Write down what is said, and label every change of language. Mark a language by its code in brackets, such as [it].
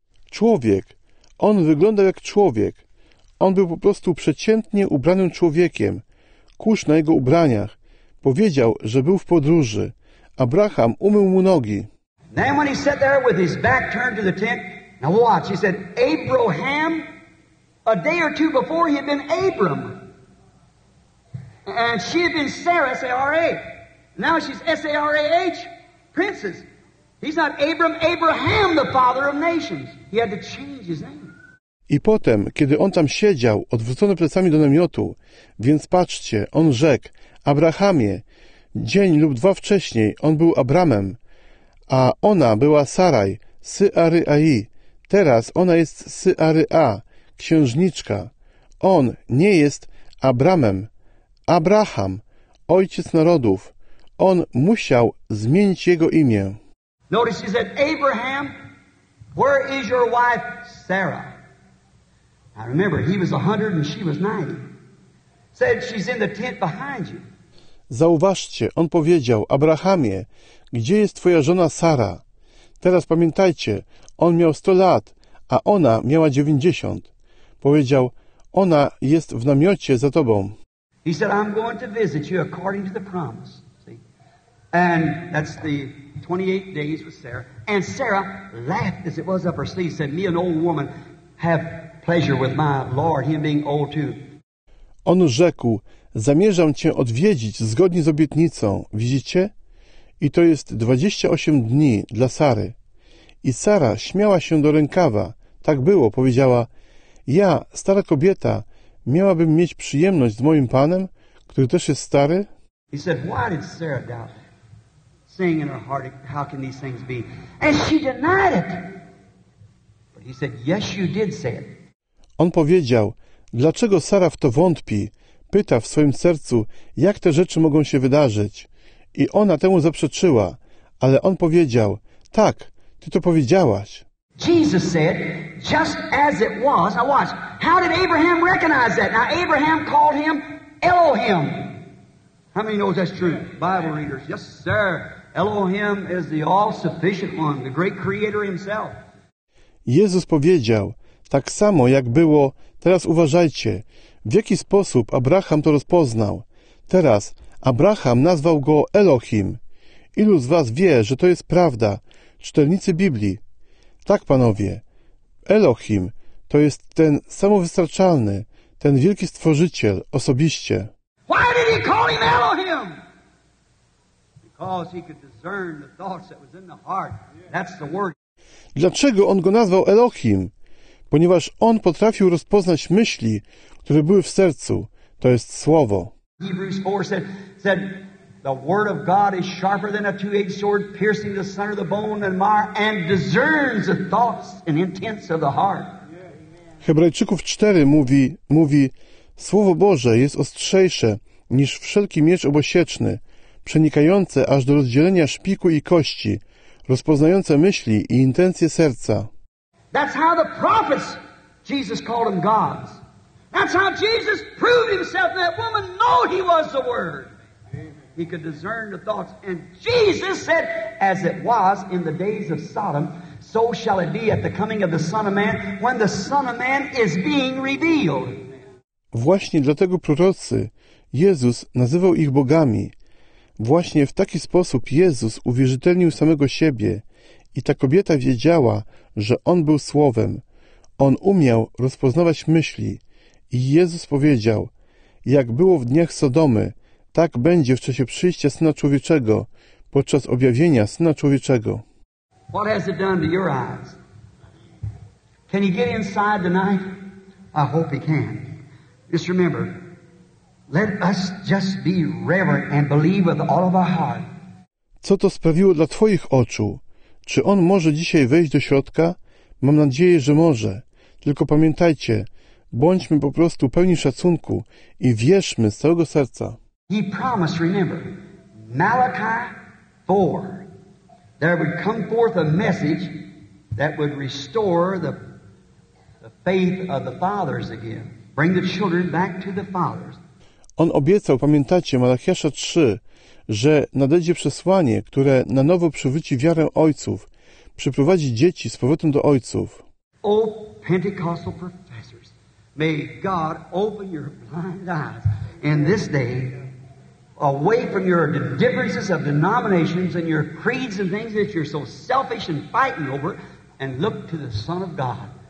[pl] Człowiek. On wyglądał jak człowiek. On był po prostu przeciętnie ubranym człowiekiem. Kurz na jego ubraniach. Powiedział, że był w podróży. Abraham umył mu nogi. [en] Then when he sat there with his back turned to the tent, now watch, he said, Abraham, a day or two before he had been Abram. And she had been Sarah, S-A-R-A. Now she's S-A-R-A-H, princess. He's not Abram, Abraham, the father of nations. He had to change his name. [pl] I potem, kiedy on tam siedział, odwrócony plecami do namiotu, więc patrzcie, on rzekł, Abrahamie, dzień lub dwa wcześniej on był Abramem, a ona była Saraj, Syaryai, teraz ona jest Syaryja, księżniczka. On nie jest Abramem, Abraham, ojciec narodów. On musiał zmienić jego imię. [en] Notice he said, Abraham, where is your wife Sarah? I remember, he was 100 and she was 90. Said, she's in the tent behind you. [pl] Zauważcie, on powiedział, Abrahamie, gdzie jest twoja żona Sara? Teraz pamiętajcie, on miał 100 lat, a ona miała 90. Powiedział, ona jest w namiocie za tobą. [en] He said, I'm going to visit you according to the promise. See? And that's the 28 days with Sarah. And Sarah laughed as it was up her sleeve, said, me an old woman have pleasure with my Lord, him being old too. [pl] On rzekł, zamierzam cię odwiedzić zgodnie z obietnicą, widzicie? I to jest 28 dni dla Sary. I Sara śmiała się do rękawa, tak było, powiedziała, ja, stara kobieta, miałabym mieć przyjemność z moim panem, który też jest stary? [en] He said, why did Sarah doubt it? Saying in her heart, how can these things be? And she denied it. But he said, yes, you did say it. [pl] On powiedział, dlaczego Sara w to wątpi? Pyta w swoim sercu, jak te rzeczy mogą się wydarzyć. I ona temu zaprzeczyła, ale on powiedział, tak, ty to powiedziałaś. [en] Jesus said, just as it was, now watch, how did Abraham recognize that? Now Abraham called him Elohim. How many knows that's true? Bible readers, yes sir, Elohim is the all-sufficient one, the great creator himself. [pl] Jezus powiedział, tak samo jak było, teraz uważajcie, w jaki sposób Abraham to rozpoznał. Teraz Abraham nazwał go Elohim. Ilu z was wie, że to jest prawda? Czytelnicy Biblii. Tak, panowie, Elohim to jest ten samowystarczalny, ten wielki stworzyciel osobiście. [en] Why did he call him Elohim? Because he could discern the thoughts that was in the heart. That's the word. [pl] Dlaczego on go nazwał Elohim? Ponieważ on potrafił rozpoznać myśli, które były w sercu. To jest słowo. [en] Hebrews 4 said, the word of God is sharper than a two-edged sword, piercing the center of the bone and marrow, and discerns the thoughts and intents of the heart. [pl] Hebrajczyków 4 mówi, Słowo Boże jest ostrzejsze niż wszelki miecz obosieczny, przenikające aż do rozdzielenia szpiku i kości, rozpoznające myśli i intencje serca. [en] That's how the prophets, Jesus called them gods. That's how Jesus proved himself that woman know he was the Word. He could discern the thoughts. And Jesus said, as it was in the days of Sodom, so shall it be at the coming of the Son of Man, when the Son of Man is being revealed. [pl] Właśnie dlatego prorocy Jezus nazywał ich bogami. Właśnie w taki sposób Jezus uwierzytelnił samego siebie. I ta kobieta wiedziała, że On był Słowem. On umiał rozpoznawać myśli. I Jezus powiedział, jak było w dniach Sodomy, tak będzie w czasie przyjścia Syna Człowieczego, podczas objawienia Syna Człowieczego. [en] What has it done to your eyes? Can you get inside tonight? I hope he can. Just remember, let us just be reverent and believe with all of our heart. [pl] Co to sprawiło dla Twoich oczu? Czy on może dzisiaj wejść do środka? Mam nadzieję, że może. Tylko pamiętajcie, bądźmy po prostu pełni szacunku i wierzmy z całego serca. [en] He promised, remember, Malachi 4, there would come forth a message that would restore the faith of the fathers again, bring the children back to the fathers. [pl] On obiecał, pamiętacie, Malachiasza 3, że nadejdzie przesłanie, które na nowo przywróci wiarę ojców, przyprowadzi dzieci z powrotem do ojców. [en] O Pentecostal professors, may God open your blind eyes in this day, away from your differences of denominations and your creeds and things that you're so selfish and fighting over, and look to the Son of God.